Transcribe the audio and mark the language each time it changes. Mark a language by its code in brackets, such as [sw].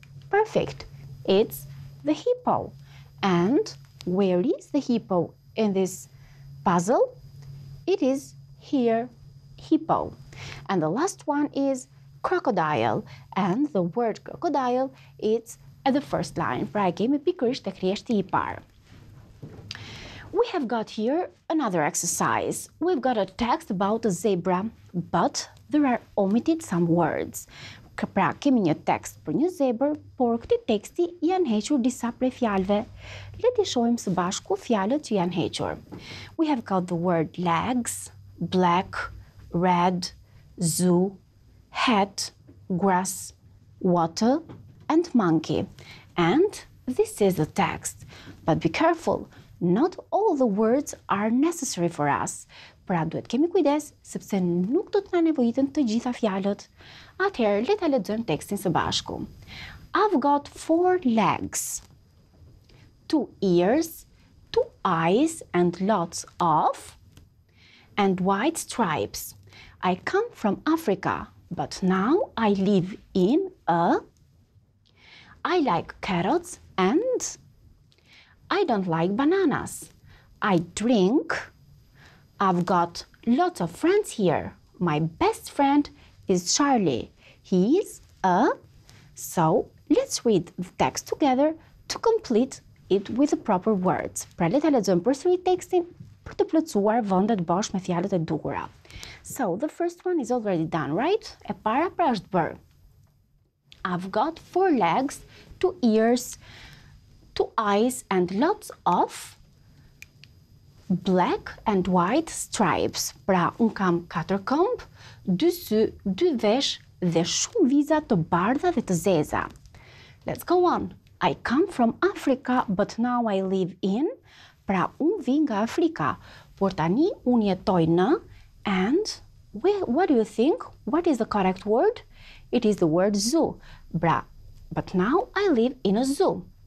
[en] Perfect, it's the hippo. And where is the hippo in this puzzle? It is here, hippo. And the last one is crocodile, and the word crocodile, it's at the first line. [sq] Pra, kemi pikërisht tek rreshti I parë. [en] We have got here another exercise. We've got a text about a zebra, but there are omitted some words. [sq] Pra, kemi një text për një zebër, por këti teksti janë hequr disa prej fjalëve. Le të shohim së bashku fjalët që janë hequr. [en] We have got the word legs, black, red, zoo, hat, grass, water, and monkey. And this is the text. But be careful, not all the words are necessary for us. [sq] Pra duhet kemi kujdes, sepse nuk do të na nevojiten të gjitha fjalët. Atëherë, le ta lexojmë tekstin së bashku. [en] I've got four legs, two ears, two eyes, and lots of, and white stripes. I come from Africa. But now I live in a... I like carrots and... I don't like bananas. I drink... I've got lots of friends here. My best friend is Charlie. He is a... So, let's read the text together to complete it with the proper words. [sq] Pra le ta lexojmë përsëri tekstin për të plotësuar vendet bashkë me fjalët e duhura. [en] So, the first one is already done, right? [sq] E para pra është bërë. [en] I've got four legs, two ears, two eyes, and lots of... black and white stripes. [sq] Pra, un kam katër këmb, dy sy, dy vesh dhe shumë viza të bardha dhe të zeza. [en] Let's go on. I come from Africa, but now I live in. [sq] Pra, un vi nga Afrika, por tani un jetoj në. [en] And what do you think? What is the correct word? It is the word zoo. Bra, but now I live in a zoo.